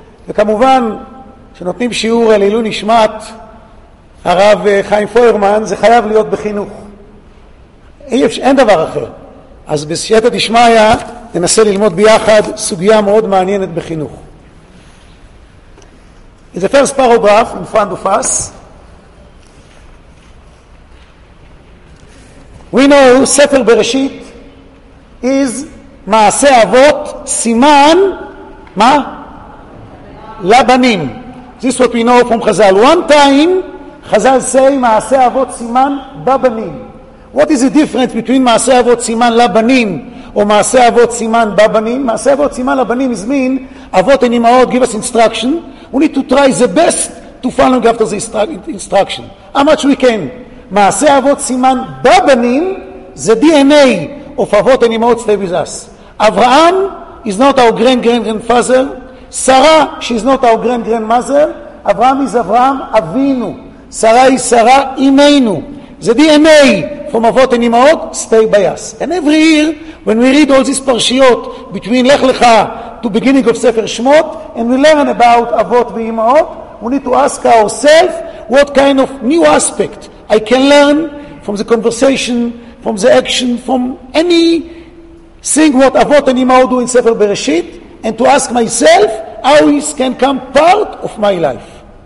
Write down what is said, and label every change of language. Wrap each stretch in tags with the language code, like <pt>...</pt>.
<he>וכמובן, כשנותנים שיעור לעילוי נשמת הרב חיים פוירמן, זה חייב להיות בחינוך. אין דבר אחר. אז בסייעתא דשמיא ננסה ללמוד ביחד סוגיה מאוד מעניינת בחינוך.</he> <en>In the first paragraph, in front of us, we know Sefer Bereshit is Maase Avot Siman Ma? Labanim. This is what we know from Chazal. One time, Chazal say Maase Avot Siman Babanim. What is the difference between Maase Avot Siman Labanim or Maase Avot Siman Babanim? Maase Avot Siman Labanim is mean Avot and Imaot give us instruction. We need to try the best to follow after the instruction. How much we can?</en> <he>מעשה אבות סימן בבנים,</he> <en>the DNA of אבות and אמהות stay with us. אברהם is not our grand-grandfather. שרה, she is not our grand-grandmother. אברהם is אברהם, אבינו.</en> <he>שרה היא שרה, אמנו.</he> <en>The DNA from אבות and אמהות stay by us. And every year, when we read all these פרשיות between לך לך, to beginning of Sefer Shemot, and we learn about Avot ve'imaot, we need to ask ourselves what kind of new aspect I can learn from the conversation, from the action, from any thing what Avot and Imaot do in Sefer Bereshit, and to ask myself how this can come part of my life.</en>